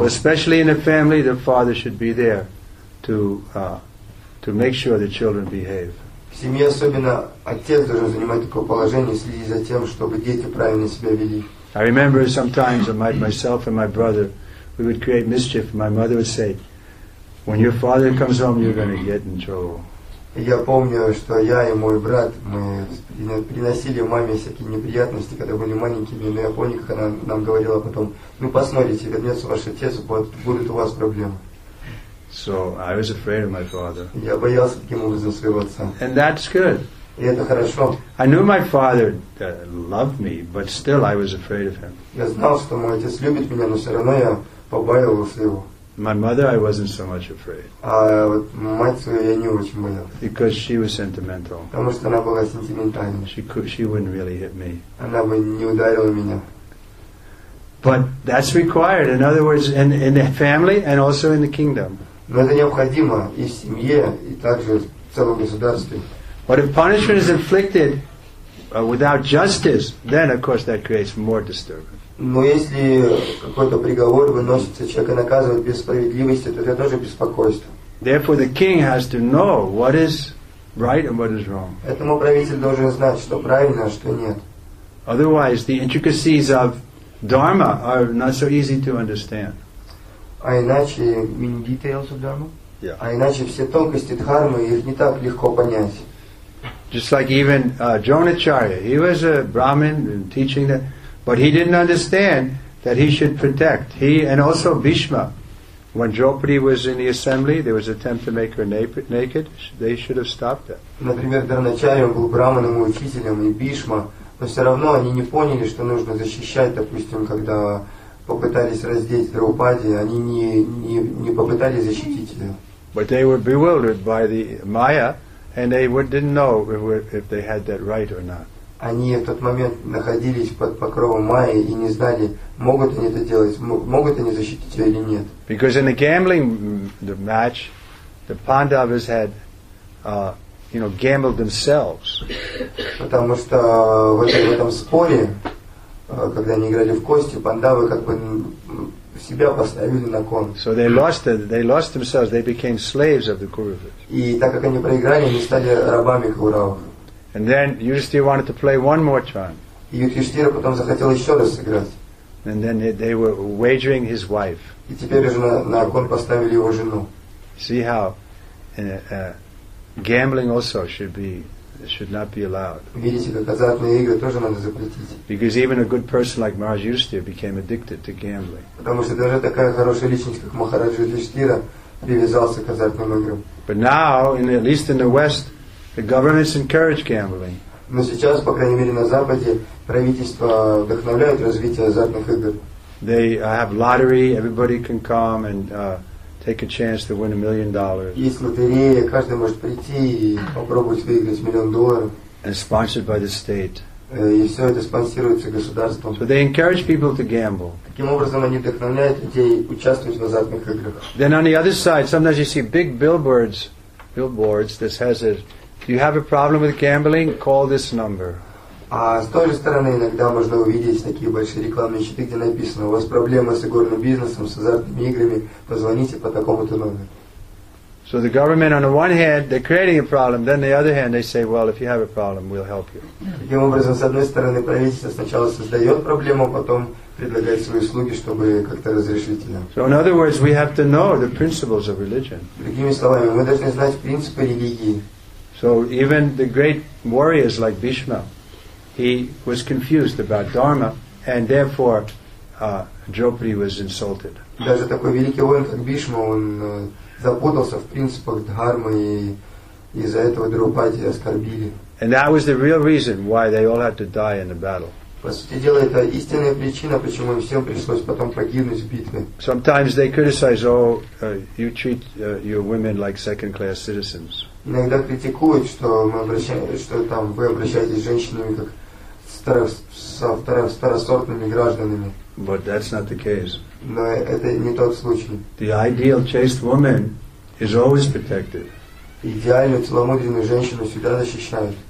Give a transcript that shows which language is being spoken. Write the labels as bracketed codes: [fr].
[en] Well, especially in a family, the father should be there to make sure the children behave. [ru] В семье особенно отец должен занимать такое положение, следить за тем, чтобы дети правильно себя вели. [en] I remember sometimes myself and my brother, we would create mischief. My mother would say, when your father comes home, you're going to get in trouble. [ru] Я помню, что я и мой брат, мы приносили маме всякие неприятности, когда были маленькими, но я помню, как она нам говорила потом, ну посмотрите, вернется ваш отец, будут у вас проблемы. [en] So I was afraid of my father. [ru] Я боялся таким образом своего отца. [en] And that's good. [ru] И это хорошо. [en] I knew my father loved me, but still I was afraid of him. [ru] Я знал, что мой отец любит меня, но все равно я побаивался его. [en] My mother, I wasn't so much afraid. [ru] А вот мать свою я не очень боялся. [en] Because she was sentimental. [ru] Потому что она была сентиментальной. [en] She wouldn't really hit me. [ru] Она бы не ударила меня. [en] But that's required. In other words, in the family and also in the kingdom. [ru] Но это необходимо и в семье, и также в целом государстве. [en] But if punishment is inflicted without justice, then of course that creates more disturbance. [ru] Но если какой-то приговор выносится, человека наказывают без справедливости, то это тоже беспокойство. [en] Therefore the king has to know what is right and what is wrong. [ru] Этому правитель должен знать, что правильно, а что нет. [en] Otherwise the intricacies of dharma are not so easy to understand. [ru] А иначе [en] mean details of dharma? Yeah. [ru] А иначе все тонкости дхармы, их не так легко понять. [en] Just like even Dronacharya, he was a Brahmin and teaching that, but he didn't understand that he should protect. He and also Bhishma, when Draupadi was in the assembly, there was an attempt to make her naked. They should have stopped that. [ru] Например, Дроначарья был Брахманом и учителем, и Бишма, но все равно они не поняли, что нужно защищать, допустим, когда попытались раздеть Драупади, они не попытались защитить ее. [en] But they were bewildered by the Maya. And they didn't know if they had that right or not. [ru] Они в тот момент находились под покровом Майи и не знали, могут они это делать, могут они защитить ее или нет. [en] Because in the gambling the match, the Pandavas had, gambled themselves. [ru] Потому что в этом споре, когда они играли в кости, Пандавы как бы себя поставили на кон. [en] So they lost themselves. They became slaves of the Kauravas. [ru] И так как они проиграли, они стали рабами Кауравов. [en] And then Yudhishthira wanted to play one more turn. [ru] И Юдхиштхира потом захотел еще раз сыграть. [en] And then they were wagering his wife. [ru] И теперь уже на кон поставили его жену. [en] See how gambling also should not be allowed. [ru] Видите, как азартные игры тоже надо запретить. [en] Because even a good person like Maharaj Yudhishthira became addicted to gambling. [ru] Потому что даже такая хорошая личность, как Махарадж Юдхиштхира, привязался к азартным играм. [en] But now, at least in the West, the governments encourage gambling. [ru] Но сейчас, по крайней мере на Западе, правительство вдохновляет развитие азартных игр. [en] They have lottery. Everybody can come and take a chance to win $1 million. [ru] Есть лотерея, каждый может прийти и попробовать выиграть $1 million. [en] And sponsored by the state. [ru] И все это спонсируется государством. [en] So they encourage people to gamble. [ru] Таким образом, они вдохновляют людей участвовать в азартных играх. [en] Then on the other side, sometimes you see big billboards. This has it. If you have a problem with gambling, call this number. [ru] А с той же стороны иногда можно увидеть такие большие рекламные щиты, где написано: у вас проблемы с игорным бизнесом, с азартными играми, позвоните по такому-то номеру. [en] So the government on the one hand they're creating a problem, then on the other hand they say, well, if you have a problem, we'll help you. [ru] Таким образом, с одной стороны, правительство сначала создает проблему, потом предлагает свои услуги, чтобы как-то разрешить ее. [en] So in other words, we have to know the principles of religion. [ru] Другими словами, мы должны знать принципы религии. [en] So even the great warriors like Bhishma, he was confused about Dharma, and therefore Draupadi was insulted. [ru] Даже такой великий воин, как Бишма, он запутался в принципах дхармы, и из-за этого Драупади оскорбили. [en] And that was the real reason why they all had to die in the battle. [ru] По сути дела, это истинная причина, почему им всем пришлось потом погибнуть в битве. [en] Sometimes they criticize, oh, you treat your women like second-class citizens. [ru] Иногда критикуют, что мы обращаемся, что там вы обращаетесь с женщинами как со второсортными гражданами. [en] But that's not the case. [ru] Но это не тот случай. [en] The ideal chaste woman is always protected. [ru] Идеальную целомудренную женщину всегда защищают.